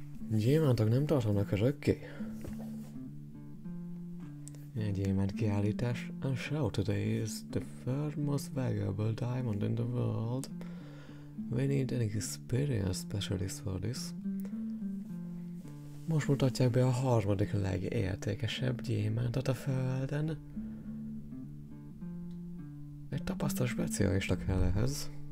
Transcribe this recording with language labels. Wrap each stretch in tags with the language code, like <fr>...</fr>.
<hu>Gyémántok nem tartanak örökké. Egy gyémánt kiállítás.</hu> <en>A show today is the third most valuable diamond in the world. We need an experienced specialist for this.</en> <hu>Most mutatják be a harmadik legértékesebb gyémántot a Földön. Egy tapasztalt specialista kell ehhez.</hu>